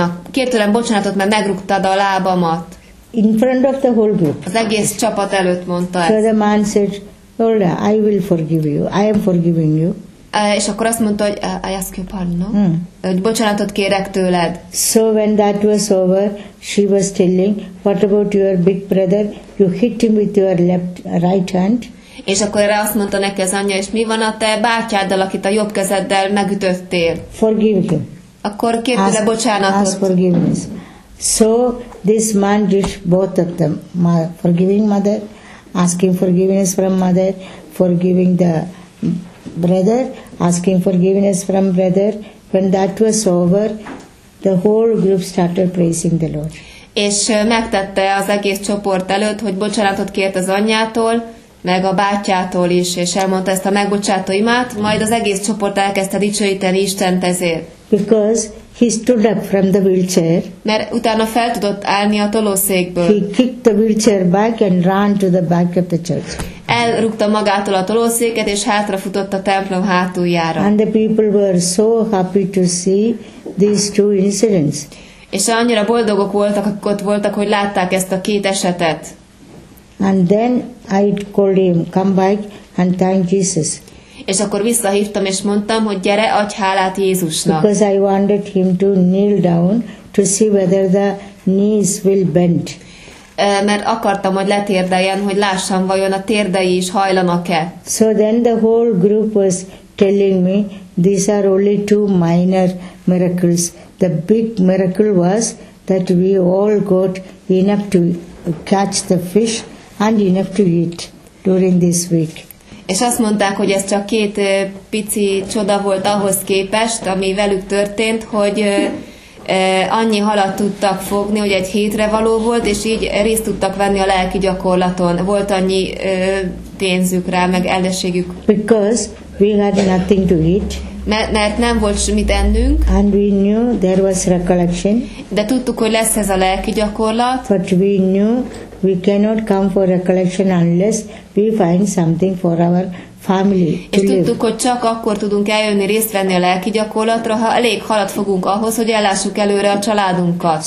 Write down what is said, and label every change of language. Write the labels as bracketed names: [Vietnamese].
[Hungarian] Kér tőlem bocsánatot, mert megrúgtad a lábamat. [English] In front of the whole group. [Hungarian] Az egész csapat előtt mondta ezt. [English] So the man said, hold on, I will forgive you. I am forgiving you. [Hungarian] És akkor azt mondta, hogy [English] I ask you pardon, no? [Hungarian] Hogy bocsánatot kérek tőled. [English] So when that was over, she was telling, what about your big brother? You hit him with your left, right hand. [Hungarian] És akkor erre azt mondta neki az anyja, és mi van a te bátyáddal, akit a jobb kezeddel megütöttél? [English] Forgive him. [Hungarian] Akkor kérte le bocsánatot. [English] Ask forgiveness. So this man did both of them. Forgiving mother, asking forgiveness from mother, forgiving the brother, asking forgiveness from brother. When that was over, the whole group started praising the Lord. [Hungarian] És megtette az egész csoport előtt, hogy bocsánatot kért az anyjától, meg a bátyjától is, és elmondta ezt a megbocsátó imát, majd az egész csoport elkezdte dicsőíteni Istent ezért. [English] Because he stood up from the wheelchair. [Hungarian] Mert utána fel tudott állni a tolószékből. [English] He kicked the wheelchair back and ran to the back of the church. [Hungarian] Elrúgta magától a tolószéket, és hátrafutott a templom hátuljára. [English] And the people were so happy to see these two incidents. [Hungarian] És annyira boldogok voltak, akik ott voltak, hogy látták ezt a két esetet. [English] And then I called him, come back and thank Jesus. [Hungarian] És akkor visszahívtam és mondtam, hogy gyere, adj hálát Jézusnak. [English] Because I wanted him to kneel down to see whether the knees will bend. [Hungarian] Mert akartam, hogy letérdeljen, hogy lássam, vajon a térdei is hajlanak-e. [English] So then the whole group was telling me, these are only two minor miracles. The big miracle was that we all got enough to catch the fish and enough to eat during this week. [Hungarian] És azt mondták, hogy ez csak két pici csoda volt ahhoz képest, ami velük történt, hogy annyi halat tudtak fogni, hogy egy hétre való volt, és így részt tudtak venni a lelki gyakorlaton. Volt annyi pénzük rá, meg ellenségük. [English] Because we had nothing to eat. [Hungarian] Mert nem volt mit ennünk. [English] And we knew there was recollection. [Hungarian] De tudtuk, hogy lesz ez a lelki gyakorlat. [English] But we knew we cannot come for recollection unless we find something for our family to live. [Hungarian] És tudtuk, hogy csak akkor tudunk eljönni részt venni a lelki gyakorlatra, ha elég halat fogunk ahhoz, hogy ellássuk előre a családunkat.